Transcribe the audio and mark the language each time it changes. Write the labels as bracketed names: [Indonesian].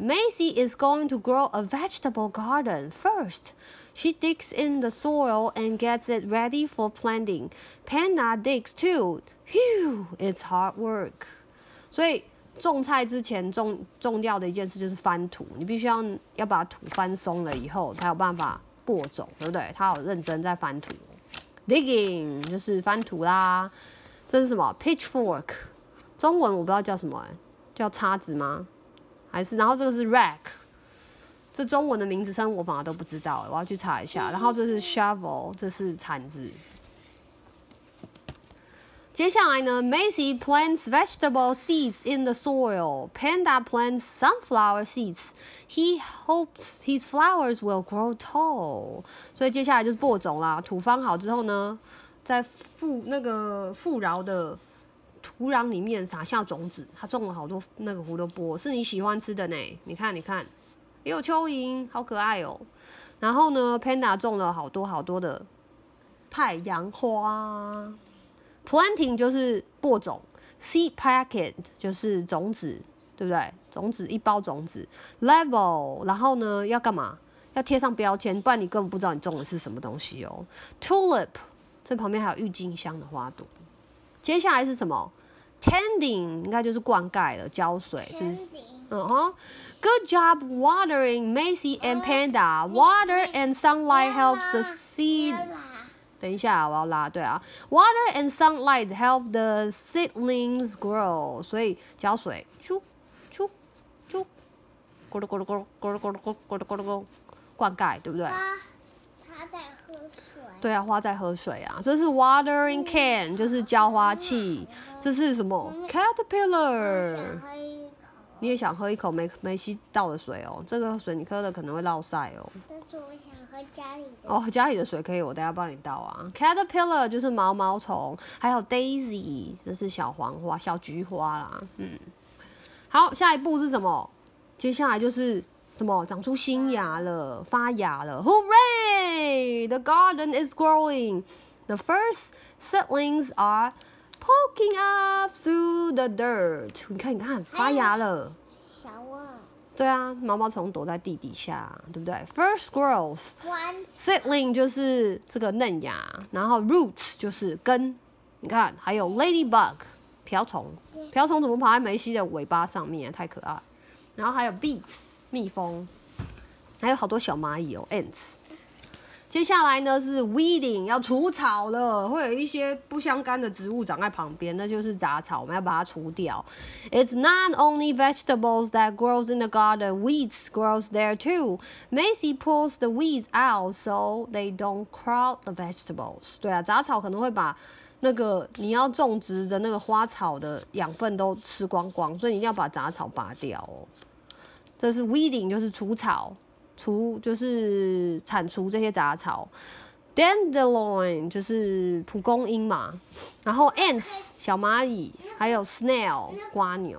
[English] Macy is going to grow a vegetable garden first. She digs in the soil and gets it ready for planting. Panda digs too. Phew, it's hard work. [Chinese] 所以种菜之前重要的一件事就是翻土，你必须要把土翻松了以后才有办法播种，对不对？他有认真在翻土 ，digging 就是翻土啦。这是什么 ？pitchfork， 中文我不知道叫什么、欸，叫叉子吗？还是然后这个是 rack， 这中文的名字称我反而都不知道、欸，我要去查一下。然后这是 shovel， 这是铲子。接下来呢 [English] ，Macy plants vegetable seeds in the soil. Panda plants sunflower seeds. He hopes his flowers will grow tall. [Chinese] 所以接下来就是播种啦。土翻好之后呢，在富饶的土壤里面撒下种子。他种了好多那个胡萝卜，是你喜欢吃的呢。你看，你看，也有蚯蚓，好可爱哦。然后呢 ，Panda 种了好多好多的太阳花。 Planting 就是播种 ，seed packet 就是种子，对不对？种子一包种子 ，level 然后呢要干嘛？要贴上标签，不然你根本不知道你种的是什么东西哦。Tulip 这旁边还有郁金香的花朵。接下来是什么 ？Tending 应该就是灌溉了，浇水是。 [English] Good job watering Macy and Panda. Water and sunlight helps the seed. [Chinese] 等一下，我要拉。对啊 [English] ，water and sunlight help the seedlings grow。 [Chinese] 所以浇水，啾啾啾，咕噜咕噜咕噜咕噜咕噜咕噜咕噜咕噜，灌溉，对不对？花在喝水。对啊，花在喝水啊。这是 watering can， 就是浇花器。这是什么 ？caterpillar。你也想喝一口梅西倒的水哦，这个水你喝的可能会落晒哦。但是我想喝家里的。哦，家里的水可以，我等一下帮你倒啊。 Caterpillar 就是毛毛虫，还有 Daisy 这是小黄花、小菊花啦。嗯，好，下一步是什么？接下来就是什么？长出新芽了，发芽了 ！Hooray! [English] The garden is growing. The first seedlings are. Poking up through the dirt， [Chinese] 你看，发芽了。小蛾。对啊，毛毛虫躲在地底下，对不对 ？First growth， seedling 就是这个嫩芽，然后 roots 就是根。你看，还有 ladybug， 瓢虫。瓢虫怎么跑在梅西的尾巴上面、啊？太可爱。然后还有 bees， 蜜蜂，还有好多小蚂蚁哦 ，ants。接下来呢是 weeding， 要除草了，会有一些不相干的植物长在旁边，那就是杂草，我们要把它除掉。 [English] It's not only vegetables that grows in the garden, weeds grows there too. Macy pulls the weeds out so they don't crowd the vegetables. [Chinese] 对啊，杂草可能会把那个你要种植的那个花草的养分都吃光光，所以你一定要把杂草拔掉哦。这是 weeding， 就是除草。除就是铲除这些杂草 ，dandelion 就是蒲公英嘛，然后 ants 小蚂蚁，还有 snail 瓜牛。